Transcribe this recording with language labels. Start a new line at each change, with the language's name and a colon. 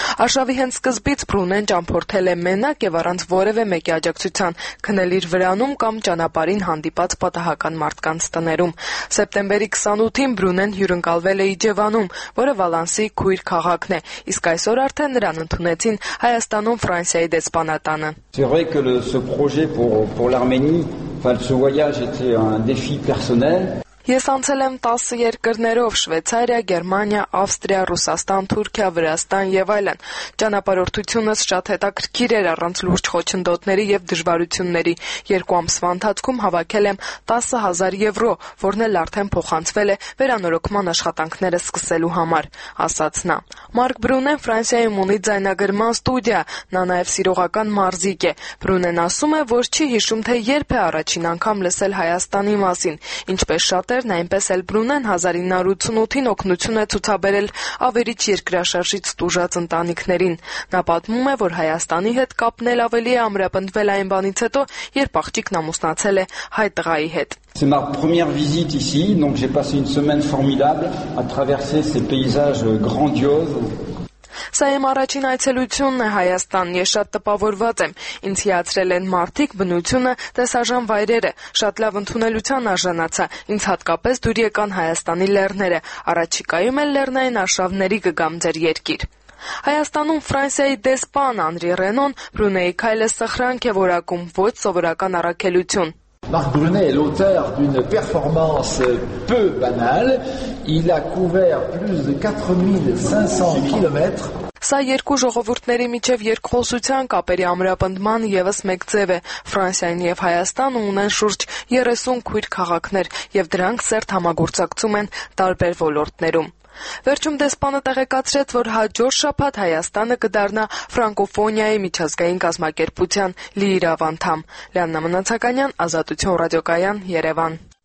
Armenian: Արշավի հենց սկզբից Բրունեն ճամփորդել է մենակ եւ առանց որևէ մեկի աջակցության քնել իր վրանում կամ ճանապարհին հանդիպած պատահական մարդկանց տներում։ Սեպտեմբերի 28-ին Բրունեն հյուրընկալվել է Իջևանում, որը Վալանսի քույր քաղաքն է, իսկ այսօր արդեն նրան ընդունեցին Հայաստանում Ֆրանսիայի դեսպանատանը։
French: C'est vrai que ce projet pour l'Arménie Enfin, ce voyage était un défi personnel.
Armenian: Ես անցել եմ 10 երկրներով՝ Շվեյցարիա, Գերմանիա, Ավստրիա, Ռուսաստան, Թուրքիա, Վրաստան եւ այլն։ Ճանապարհորդությունս շատ հետաքրքիր էր առանց լուրջ խոչընդոտների եւ դժվարությունների։ Երկու ամսվա ընթացքում հավաքել եմ 10,000 եվրո, որն էլ արդեն փոխանցվել է վերանորոգման աշխատանքները սկսելու համար, ասաց նա։ Մարկ Բրունեն Ֆրանսիայի ունի ձայնագրման ստուդիա, նա նաեւ սիրողական մարզիկ է։ Բրունեն ասում է, որ չի հիշում, թե երբ է առաջին անգամ լսել Հայաստանի մասին, ինչպես Շատերն այնպես էլ Բրունեն 1988-ին օգնություն է ցուցաբերել ավերիչ երկրաշարժից տուժած ընտանիքներին։ Նա պատմում է, որ Հայաստանի հետ կապն էլ ավելի է ամրապնդվել այն բանից հետո, երբ աղջիկն ամուսնացել է հայ տղայի հետ։
French: C'est ma première visite ici, donc j'ai passé une semaine formidable à traverser ces paysages grandioses.
Armenian: Սա իմ առաջին այցելությունն է Հայաստան, ես շատ տպավորված եմ, ինձ հիացրել են մարդիկ, բնությունը, տեսարժան վայրերը, շատ լավ ընդունելության արժանացա, ինձ հատկապես դուր եկան Հայաստանի լեռները, առաջիկայում էլ լեռնային արշավների կգամ ձեր երկիր։ Հայաստանում Ֆրանսիայի դեսպան Անրի Ռենոն Բրունեի քայլը սխրանք է որակում, ոչ սովորական առաքելություն։
French: Marc Brunet est l'auteur d'une performance peu banale. Il a couvert plus de 4500 km.
Armenian: Սա երկու ժողովուրդների միջև երկխոսության կապերի ամրապնդման եւս մեկ ձև է։ Ֆրանսիան եւ Հայաստանը ունեն շուրջ 30 քույր քաղաքներ եւ դրանք սերտ համագործակցում են տարբեր ոլորտներում։ Վերջում դեսպանը տեղեկացրեց, որ հաջորդ շաբաթ Հայաստանը կդառնա Ֆրանկոֆոնիայի միջազգային կազմակերպության լիիրավանդամ։ Լիաննա Մնացականյան, Ազատություն ռադիոկայան, Երևան։